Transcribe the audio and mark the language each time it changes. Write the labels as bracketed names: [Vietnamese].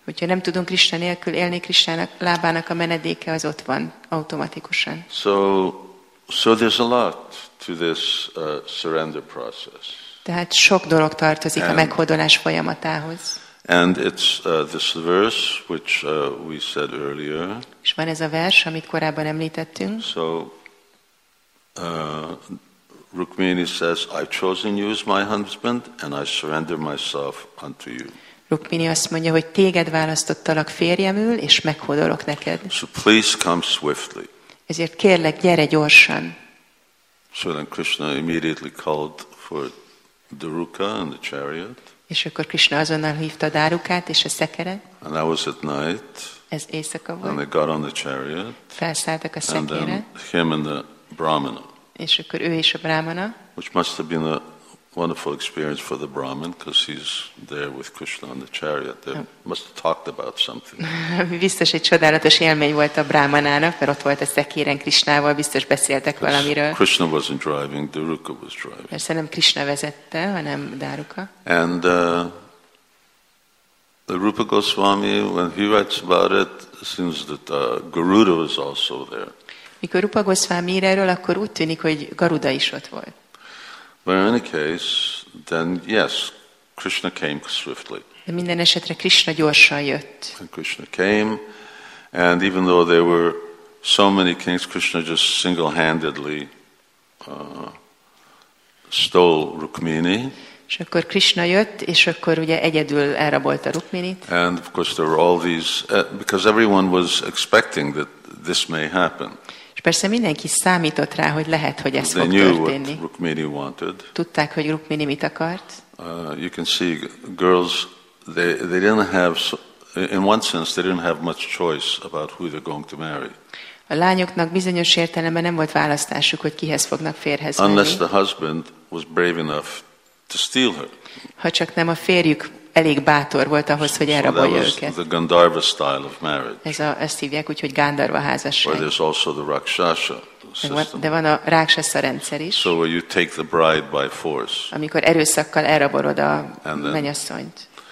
[Hungarian] Hogyha nem tudunk Krishna nélkül élni, Krishna lábának a menedéke az ott van, automatikusan. [English] So there's a lot to this surrender process. [Hungarian] Tehát sok dolog tartozik a meghódolás folyamatához. [English] And it's this verse which we said earlier. [Hungarian] És van ez a vers, amit korábban említettünk. [English] So Rukmini says, I've chosen you as my husband, and I surrender myself unto you. [Hungarian] Rukmini azt mondja, hogy téged választottalak férjemül, és meghódolok neked. [English] So please come swiftly. [Hungarian] Ezért kérlek, gyere gyorsan. [English] So then Krishna immediately called for Daruka and the chariot. [Hungarian] És akkor Krishna azonnal hívta Darukát és a szekere. [English] And that was at night. [Hungarian] Ez éjszaka volt. [English] And they got on the chariot. [Hungarian] Felszálltak a szekére. [English] And then him and the brahmana. [Hungarian] És akkor ő is a brámana. [English] Which must have been a wonderful experience for the Brahmin because he's there with Krishna on the chariot. They must have talked about something. [Hungarian] Biztos egy csodálatos élmény volt a Brahmanának, mert ott volt a szekéren Krishnával, biztos beszéltek valamiről. [English] Krishna wasn't driving, Daruka was driving. [Hungarian] Persze nem Krishna vezette, hanem Daruka. [English] And the Rupa Goswami, when he writes about it, seems that Garuda was also there. [Hungarian] Mikor Rupa Goswami ír erről, akkor úgy tűnik, hogy Garuda is ott volt. [English] But in any case, then yes, Krishna came swiftly. [Hungarian] De minden esetre Krishna gyorsan jött. [English] And Krishna came, and even though there were so many kings, Krishna just single-handedly stole Rukmini. [Hungarian] És akkor Krishna jött, és akkor ugye egyedül elrabolta Rukminit. [English] And of course there were all these, because everyone was expecting that this may happen. [Hungarian] És persze mindenki számított rá, hogy lehet, hogy ez [English] they [Hungarian] fog történni. [English] What Rukmini wanted. [Hungarian] Tudták, hogy Rukmini mit akart. [English] You can see girls, they didn't have, in one sense, they didn't have much choice about who they're going to marry. [Hungarian] A lányoknak bizonyos értelemben nem volt választásuk, hogy kihez fognak férhez menni. [English] Unless the husband was brave enough to steal her. [Hungarian] Ha csak nem a férjük elég bátor volt ahhoz, hogy elrabolja őket. [English] So the Gandharva style of marriage. [Hungarian] Ezt hívják úgy, hogy Gandharva házasság. [English] Or there's also the Rakshasa. [Hungarian] De van a Rakshasa rendszer is. [English] So you take the bride by force. [Hungarian] Amikor erőszakkal elrabolod a mennyasszonyt.